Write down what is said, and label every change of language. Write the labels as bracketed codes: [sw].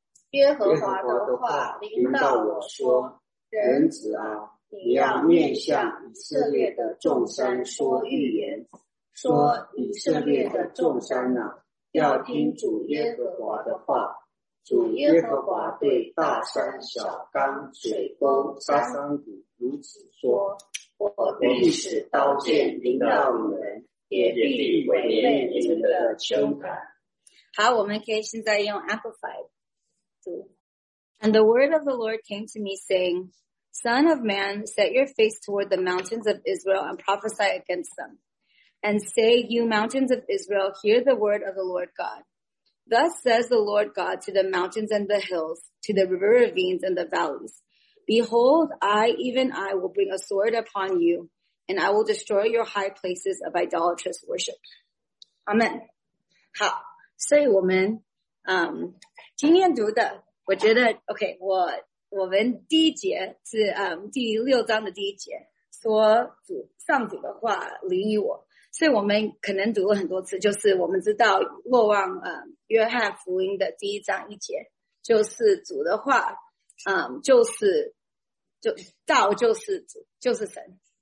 [zh] 耶和华的话临到我说：人子啊，你要面向以色列的众山说预言，说以色列的众山啊，要听主耶和华的话。主耶和华对大山、小冈、水沟、沙山谷如此说：我必使刀剑临到你们，也必毁灭你们的丘坛。好，我们可以现在用 Amplified 读。 [en] And the word of the Lord came to me saying, Son of man, set your face toward the mountains of Israel and prophesy against them. And say, you mountains of Israel, hear the word of the Lord God. Thus says the Lord God to the mountains and the hills, to the river ravines and the valleys. Behold, I will bring a sword upon you, and I will destroy your high places of idolatrous worship. Amen. [zh] 好，所以我们今天读的，我觉得 OK， 我们第一节是第六章的第一节，说主上主的话临于我，所以我们可能读了很多次，就是我们知道若望约翰福音的第一章一节，就是主的话，道就是主，就是神。